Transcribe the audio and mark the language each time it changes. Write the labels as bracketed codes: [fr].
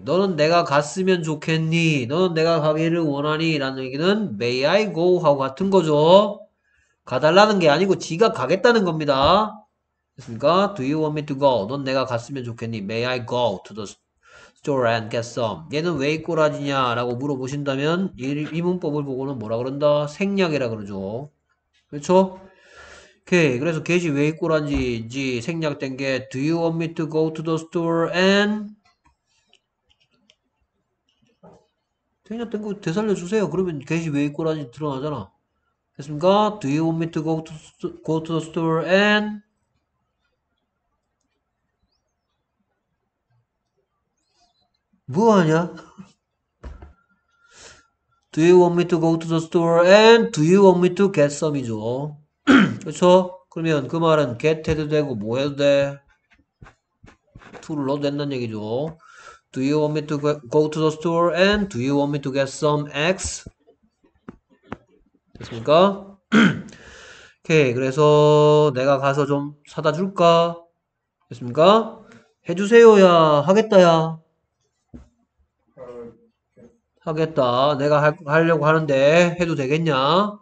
[ko] 너는 내가 갔으면 좋겠니? 너는 내가 가기를 원하니? 라는 얘기는 [en] May I go? [ko] 하고 같은 거죠. 가달라는 게 아니고 지가 가겠다는 겁니다. 됐습니까? [en] Do you want me to go? [ko] 넌 내가 갔으면 좋겠니? [en] May I go to the store and get some. [ko] 얘는 왜이 꼬라지냐? 라고 물어보신다면, 이 문법을 보고는 뭐라 그런다? 생략이라 그러죠. 그렇죠? 오케이. 그래서 get이 왜이 꼬라지인지 생략된 게, [en] Do you want me to go to the store and? [ko] 생략된 거 되살려주세요. 그러면 get이 왜이 꼬라지인지 드러나잖아. 됐습니까? [en] Do you want me to go to the store and? [ko] 뭐 하냐? [en] Do you want me to go to the store and do you want me to get some이죠? [ko] 그렇죠? 그러면 그 말은 get 해도 되고 뭐 해도 돼? to를 넣어도 된다는 얘기죠. [en] Do you want me to go to the store and do you want me to get some eggs? [ko] 됐습니까? 오케이. 그래서 내가 가서 좀 사다 줄까? 됐습니까? 해주세요야 하겠다야. 하겠다. 내가 하려고 하는데 해도 되겠냐?